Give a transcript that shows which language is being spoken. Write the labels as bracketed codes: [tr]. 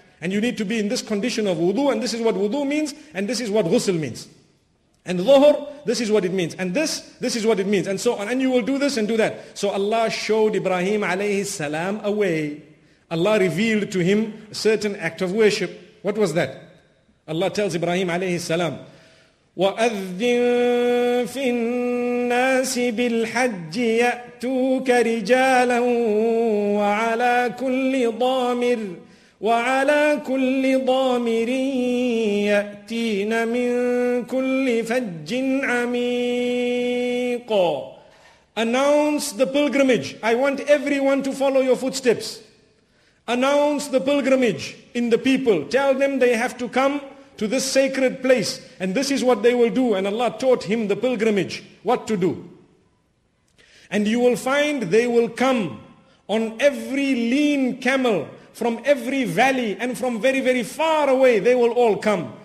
[en] And you need to be in this condition of wudu, and this is what wudu means, and this is what ghusl means. And dhuhr, this is what it means. And this is what it means. And so on. And you will do this and do that. So Allah showed Ibrahim alayhi salam a way. Allah revealed to him a certain act of worship. What was that? Allah tells Ibrahim alayhi salam, [ar] وَأَذِّن فِي النَّاسِ بِالْحَجِّ يَأْتُوكَ رِجَالًا وَعَلَى كُلِّ ضَامِرٍ وَعَلَى كُلِّ ضَامِرٍ يَأْتِينَ مِن كُلِّ فَجٍّ عَمِيقًا. [en] Announce the pilgrimage. I want everyone to follow your footsteps. Announce the pilgrimage in the people. Tell them they have to come to this sacred place, and this is what they will do. And Allah taught him the pilgrimage, what to do. And you will find they will come on every lean camel, from every valley and from very, very far away, they will all come.